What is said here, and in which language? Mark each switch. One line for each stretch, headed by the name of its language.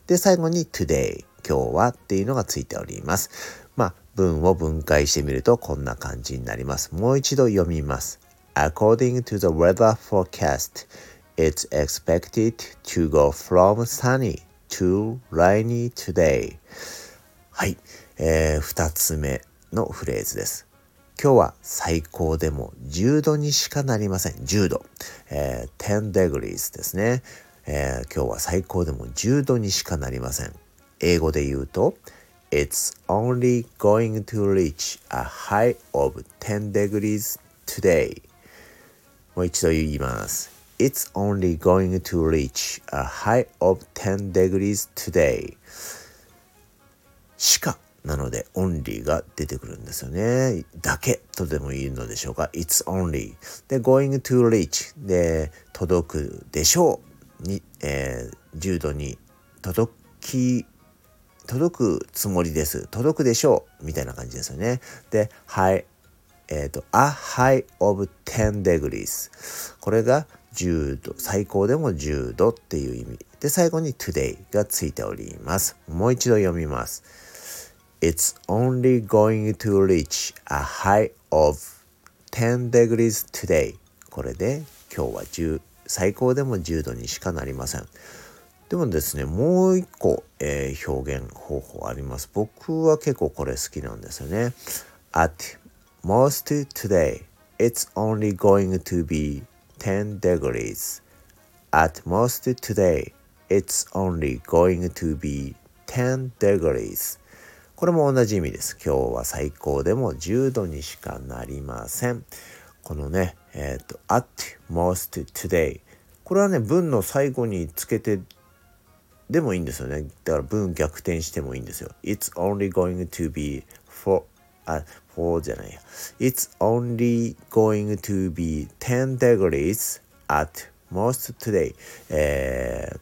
Japanese: で、最後に today、今日はっていうのがついております。まあ文を分解してみるとこんな感じになります。もう一度読みます。
English: According to the weather forecast, it's expected to go from sunny to rainy today。
Japanese: はい、2つ目のフレーズです。今日は最高でも10度にしかなりません。 10度、10 degrees ですね、今日は最高でも10度にしかなりません。英語で言うと
English: It's only going to reach a high of 10 degrees today。もう一度言います。 It's only going to reach a high of 10 degrees today。
Japanese: しかなのでオンリーが出てくるんですよね。だけとでも言うのでしょうか。
English: It's only
Japanese: で
English: going to reach
Japanese: で届くでしょうに、10度に届くつもりです、届くでしょうみたいな感じですよね。で、はい、
English: a high of 10 degrees、
Japanese: これが10度、最高でも10度っていう意味で、最後に today がついております。もう一度読みます。
English: It's only going to reach a high of 10 degrees today。
Japanese: これで今日は最高でも10度にしかなりません。でもですね、もう一個、表現方法あります。僕は結構これ好きなんですよね。
English: At most today, it's only going to be 10 degrees. At most today, it's only going to be 10 degrees。
Japanese: これも同じ意味です。今日は最高でも10度にしかなりません。このね、
English: at most today。
Japanese: これはね、文の最後につけてでもいいんですよね。だから文逆転してもいいんですよ。
English: It's only going to be for
Japanese: じゃないや。
English: It's only going to be 10 degrees at most today。